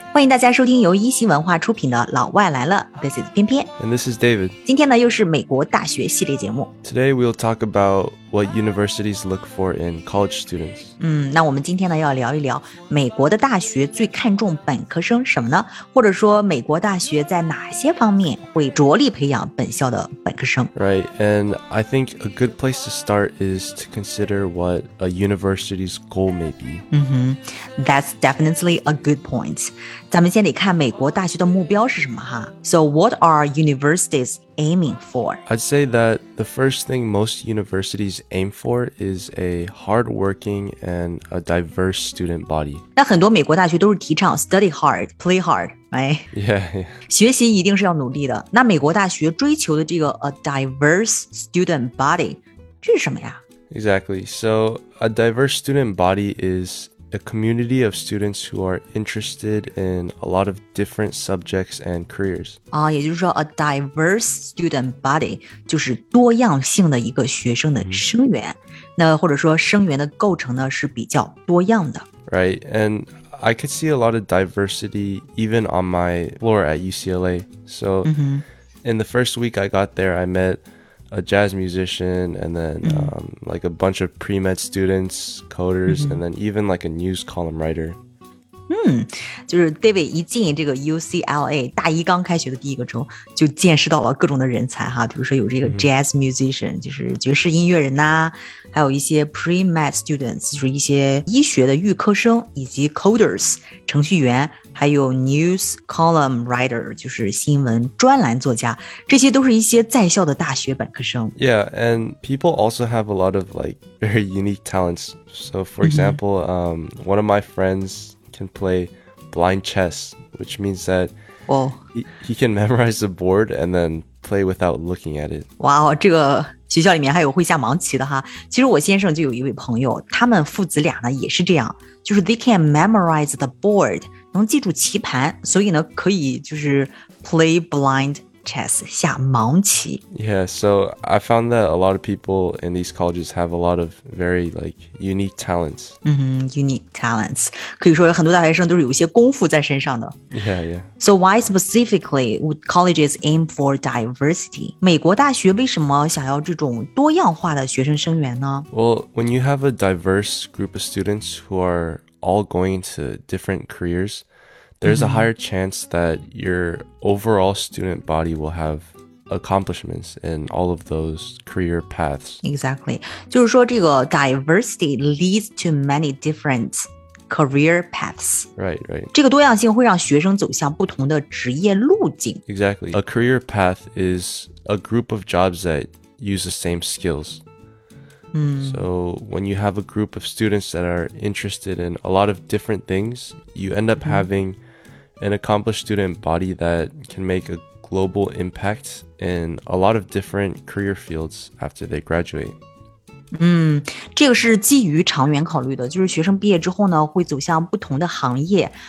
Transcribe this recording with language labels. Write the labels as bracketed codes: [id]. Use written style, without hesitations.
[zh] 欢迎大家收听由一席文化出品的《老外来了》。 [en] This is 翩翩。 And this is David. [zh] 今天呢，又是美国大学系列节目。 [en] Today we'll talk about what universities look for in college students. [zh] 那我们今天呢，要聊一聊美国的大学最看重本科生什么呢？或者说，美国大学在哪些方面会着力培养本校的本科生？ [en] Right, and I think a good place to start is to consider what a university's goal may be. That's definitely a good point. [zh] 咱们先得看美国大学的目标是什么哈。 [en] So what are universities aiming for? I'd say that the first thing most universities aim for is a hardworking and a diverse student body. [zh] 那很多美国大学都是提倡 [en] study hard, play hard, right? Yeah. [zh] 学习一定是要努力的。那美国大学追求的这个 [en] a diverse student body, [zh] 这是什么呀？ [en] Exactly. So a diverse student body is... a community of students who are interested in a lot of different subjects and careers. [zh] 也就是说 [en] a diverse student body [zh] 就是多样性的一个学生的生源。那或者说生源的构成呢是比较多样的。 [en] Right, and I could see a lot of diversity even on my floor at UCLA. So, in the first week I got there, I met... a jazz musician, and then like a bunch of pre-med students, coders, and then even like a news column writer. [zh] 就是 David 一进这个 UCLA, 大一刚开学的第一个周就见识到了各种的人才哈，比如说有这个 [en] jazz musician, [zh] 就是爵士音乐人呐、还有一些 [en] pre-med students, [zh] 就是一些医学的预科生以及 coders, 程序员还有 [en] news column writer, [zh] 就是新闻专栏作家，这些都是一些在校的大学本科生。 [en] Yeah, and people also have a lot of like very unique talents. So for example, one of my friends can play blind chess, which means that he can memorize the board and then play without looking at it. [zh] Wow, 这个学校里面还有会下盲棋的哈。其实我先生就有一位朋友，他们父子俩呢也是这样，就是 [en] they can memorize the board. [zh] 能记住棋盘，所以呢，可以就是 [en] play blind chess, [zh] 下盲棋。 [en] Yeah, so I found that a lot of people in these colleges have a lot of very like unique talents. Unique talents. [zh] 可以说有很多大学生都是有一些功夫在身上的。 [en] Yeah, yeah. So why specifically would colleges aim for diversity? [zh] 美国大学为什么想要这种多样化的学生生源呢？ [en] Well, when you have a diverse group of students who areall going to different careers, there's a higher chance that your overall student body will have accomplishments in all of those career paths. Exactly. [zh] 就是说这个 [en] diversity leads to many different career paths. Right, right. [zh] 这个多样性会让学生走向不同的职业路径。 [en] Exactly. A career path is a group of jobs that use the same skills. So when you have a group of students that are interested in a lot of different things, you end up having an accomplished student body that can make a global impact in a lot of different career fields after they graduate. [zh] 这个是基于长远考虑的，就是学生毕业之后呢，会走向不同的行业。